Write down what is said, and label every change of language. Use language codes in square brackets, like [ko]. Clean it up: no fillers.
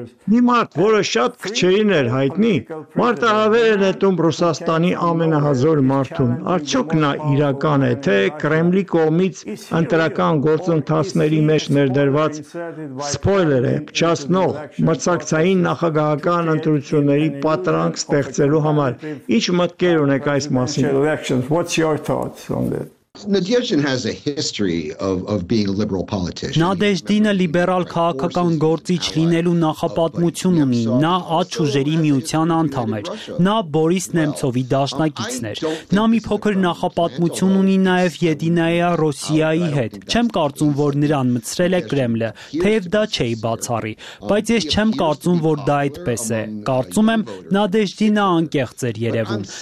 [hy] Մի մարդ, որը շատ քչերին էր հայտնի, մարտահրավեր է նետում Ռուսաստանի ամենահզոր մարդուն, արդյոք նա իրական է, թե Կրեմլի կողմից ընտրական գործընթացների մեջ ներդրված սպոյլեր է փչացնող մրցակցային նախագահական ընտրությունների պատրանք ստեղծելու համար։ Ինչ մտքեր ունեք այս մասին? [en] Nadezhdin has a history of being a liberal politician. [hy] Նադեժդինը լիբերալ քաղաքական գործիչ լինելու նախապատմություն ունի։ Նա աջ ուժերի միության անդամ էր։ Նա Բորիս Նեմցովի դաշնակիցն էր։ Նա մի փոքր նախապատմություն ունի նաև Եդինայա Ռոսիայի հետ։ Չեմ կարծում, որ նրան մցրել է Կրեմլը, թեև դա չէի բացառի, բայց ես չեմ կարծում, որ դա այդպես է։ Կարծում եմ, Նադեժդինը անկեղծ էր երևում։